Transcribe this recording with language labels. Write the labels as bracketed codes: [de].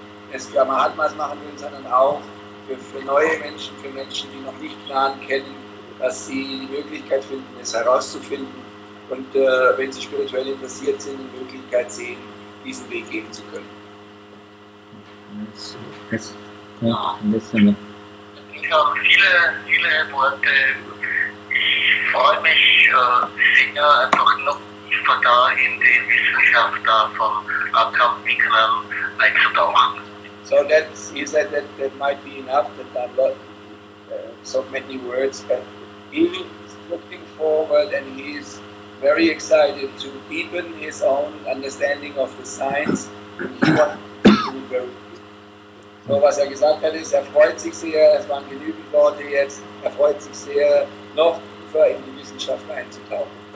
[de] Es für Mahatmas machen will, sondern auch für neue Menschen, für Menschen, die noch nicht Gnan kennen, dass sie die Möglichkeit finden, es herauszufinden und wenn sie spirituell interessiert sind, die Möglichkeit sehen, diesen Weg gehen zu können. Ich habe viele, viele Worte. Ich freue mich, Singer einfach noch tiefer da in die Wissenschaft von Akram Vignan einzutauchen. [en] So that's, he said that might be enough, that I'm not so many words, but he's looking forward and he's very excited to deepen his own understanding of the science. [de] So was gesagt hat, ist, freut sich sehr, es waren genügend Leute jetzt, freut sich sehr, noch tiefer in die Wissenschaft einzutauchen.